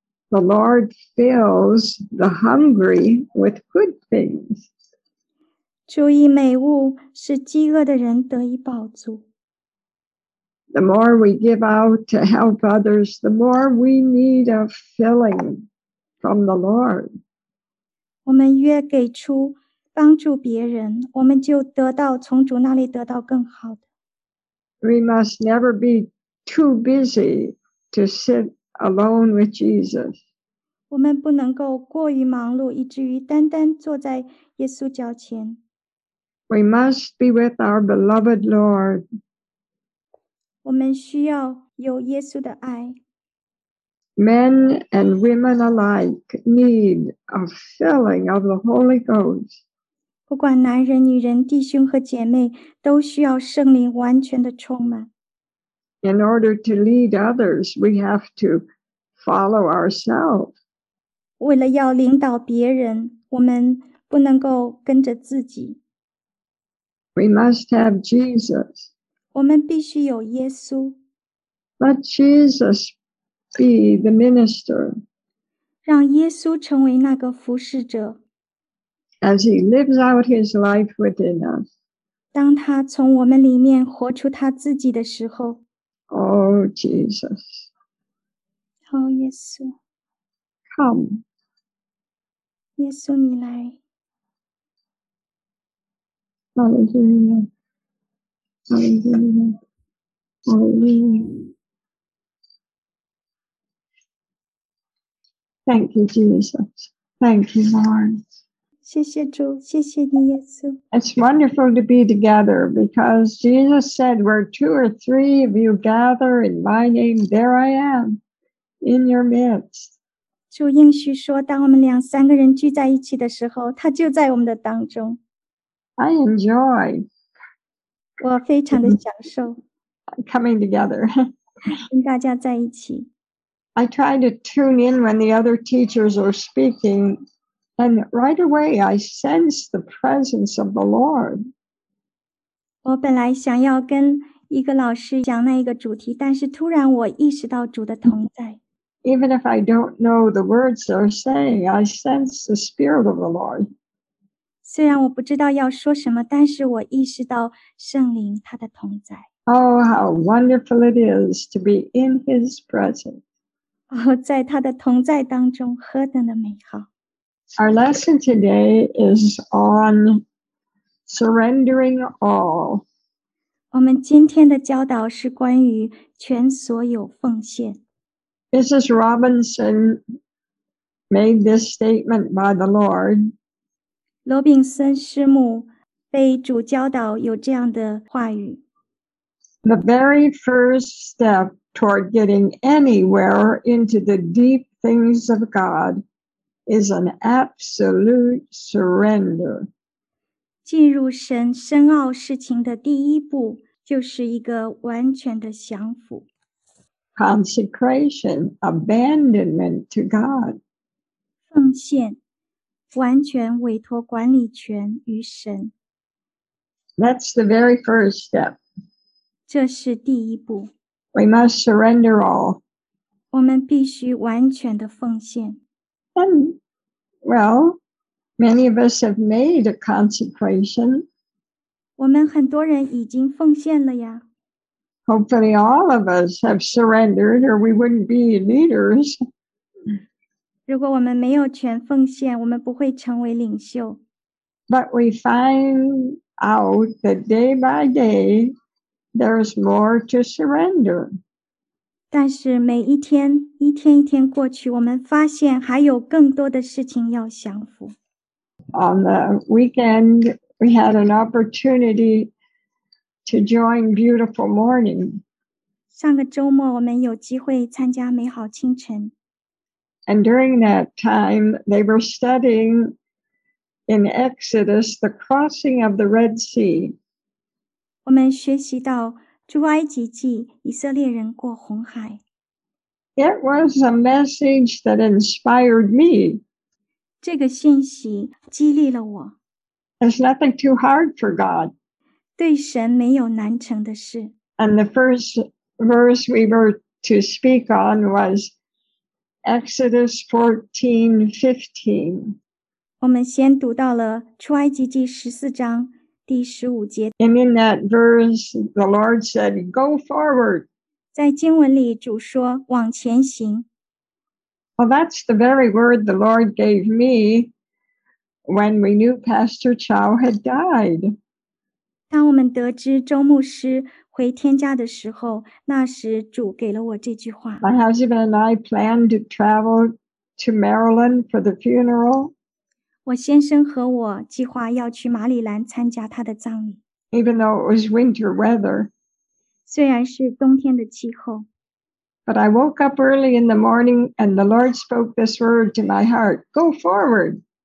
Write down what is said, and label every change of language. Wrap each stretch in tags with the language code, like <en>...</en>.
<en>The Lord fills the hungry with good things.</en> <zh>主以美物使饥饿的人得以饱足。</zh> <en>The more we give out to help others, the more we need a filling from the Lord.</en> <zh>我们越给出帮助别人，我们就得到从主那里得到更好的。</zh> <en>We must never be too busy to sit alone with Jesus.</en> <zh>我们不能够过于忙碌，以至于单单坐在耶稣脚前。</zh> <en>We must be with our beloved Lord.</en> <zh>我们需要有耶稣的爱。</zh> <en>Men and women alike need a filling of the Holy Ghost.</en> <zh>不管男人女人，弟兄和姐妹，都需要圣灵完全的充满。</zh> <en>In order to lead others, we have to follow ourselves.</en> <zh>为了要领导别人，我们不能够跟着自己。</zh> <en>We must have Jesus.</en> <zh>我们必须有耶稣。</zh> <en>Let Jesus be the minister.</en> <zh>让耶稣成为那个服侍者。</zh> <en>As he lives out his life within us.</en> <zh>当他从我们里面活出他自己的时候。</zh> <en>Oh, Jesus. Oh, Yesu. Come.</en> <zh>Yesu, 你来。</zh> <en>Hallelujah. Hallelujah. Hallelujah. Thank you, Jesus. Thank you, Lord.</en> <zh>谢谢主，谢谢你，耶稣。</zh> <en>It's wonderful to be together because Jesus said, "Where two or three of you gather in my name, there I am in your midst."</en> <zh>主应许说，当我们两三个人聚在一起的时候，他就在我们的当中。</zh> <en>I enjoy.</en> <zh>我非常的享受。</zh> <en>Coming together.</en> <zh>跟大家在一起。</zh> <en>I try to tune in when the other teachers are speaking. And right away, I sense the presence of the Lord.</en> <zh>我本来想要跟一个老师讲那一个主题，但是突然我意识到主的同在。</zh> <en>Even if I don't know the words they're saying, I sense the Spirit of the Lord.</en> <zh>虽然我不知道要说什么，但是我意识到圣灵他的同在。</zh> <en>Oh, how wonderful it is to be in his presence.</en> <zh>哦，在他的同在当中，何等的美好。</zh> <en>Our lesson today is on surrendering all.</en> <zh>我们今天的教导是关于全所有奉献。</zh> <en>Mrs. Robinson made this statement by the Lord.</en> <zh>罗宾森师母被主教导有这样的话语。</zh> <en>The very first step toward getting anywhere into the deep things of God is an absolute surrender.</en> <zh>进入神深奥事情的第一步就是一个完全的降服。</zh> <en>Consecration, abandonment to God.</en> <zh>奉献，完全委托管理权于神。</zh> <en>That's the very first step.</en> <zh>这是第一步。</zh> <en>We must surrender all.</en> <zh>我们必须完全的奉献。</zh> <en>And, well, many of us have made a consecration.</en> <zh>我们很多人已经奉献了呀。</zh> <en>Hopefully all of us have surrendered or we wouldn't be leaders.</en> <zh>如果我们没有全奉献，我们不会成为领袖。</zh> <en>But we find out that day by day, there's more to surrender.</en> <zh>但是每一天，一天一天过去，我们发现还有更多的事情要降服。</zh> <en>On the weekend, we had an opportunity to join Beautiful Morning.</en> <zh>上个周末我们有机会参加美好清晨。</zh> <en>And during that time, they were studying in Exodus, the crossing of the Red Sea.</en> <zh>我们学习到出埃及记，以色列人过红海。</zh> <en>It was a message that inspired me.</en> <zh>这个信息激励了我。</zh> <en>There's nothing too hard for God.</en> <zh>对神没有难成的事。</zh> <en>And the first verse we were to speak on was Exodus 14:15.</en> <zh>我们先读到了出埃及记十四章第十五节。</zh> <en>And in that verse, the Lord said, "Go forward."</en> <zh>在经文里，主说往前行。</zh> <en>Well, that's the very word the Lord gave me when we knew Pastor Chow had died.</en> <zh>当我们得知周牧师回天家的时候，那时主给了我这句话。</zh> <en>My husband and I planned to travel to Maryland for the funeral.</en> <zh>我先生和我计划要去马里兰参加他的葬礼。</zh> <en>Even though it was winter weather.</en> <zh>虽然是冬天的气候。</zh> <en>But I woke up early in the morning and the Lord spoke this word to my heart, "Go forward."</en>